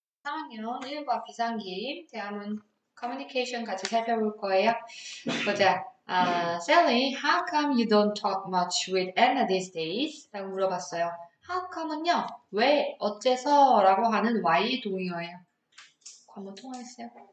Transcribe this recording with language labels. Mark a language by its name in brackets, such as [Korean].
[Korean] 3학년 1과 비상기임 대화문 커뮤니케이션 같이 살펴볼 거예요. 보자. [English] Sally, how come you don't talk much with Anna these days? [Korean] 라고 물어봤어요. How come은요? 왜, 어째서? 라고 하는 why 동의어예요. 한번 통화했어요.